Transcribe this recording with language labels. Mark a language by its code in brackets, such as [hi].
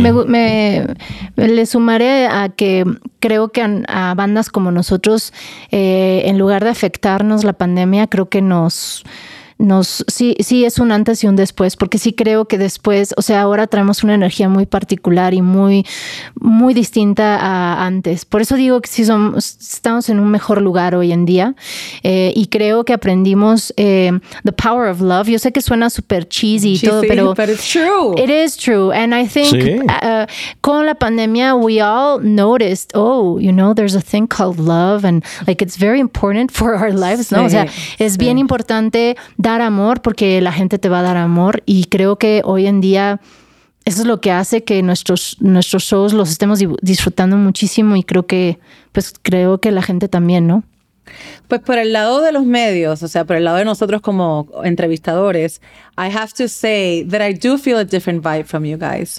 [es] Me le sumaré a que creo que a bandas como nosotros, en lugar de afectarnos la pandemia, creo que sí es un antes y un después, porque sí creo que después, o sea, ahora traemos una energía muy particular y muy, muy distinta a antes. Por eso digo que sí estamos en un mejor lugar hoy en día, y creo que aprendimos [en] the power of love. [es] Yo sé que suena súper cheesy y todo, pero [en] it's true. It is true. And I think [es] con la pandemia [en] we all noticed, there's a thing called love and like it's very important for our lives, ¿no? [es] O sea, es bien importante dar amor porque la gente te va a dar amor y creo que hoy en día eso es lo que hace que nuestros shows los estemos disfrutando muchísimo y creo que la gente también, ¿no? Pues por el lado de los medios, o sea, por el lado de nosotros como entrevistadores, [en] I have to say that I do feel a different vibe from you guys.